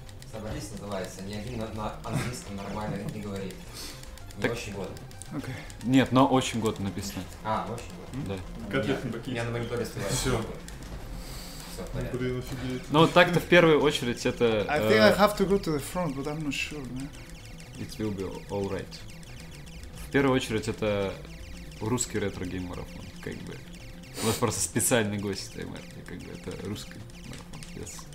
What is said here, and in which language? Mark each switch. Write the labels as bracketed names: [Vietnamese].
[Russian] Собрались, называется. Ни один на английском нормально не говорит. Не так, очень год. [English] Okay. [Russian] Нет, но очень год написано. А, очень год. Да. Котлет на бакете. Я на мониторе стоял. Все. Все, блин, офигеть. Ну, так-то в первую очередь это... [English] I think I have to go to the front, but I'm not sure, man. It will be alright. [Russian] В первую очередь это русский ретро-гейм-марафон, как бы. У нас просто специальный гость TMR, как бы, это русский марафон, [English] yes.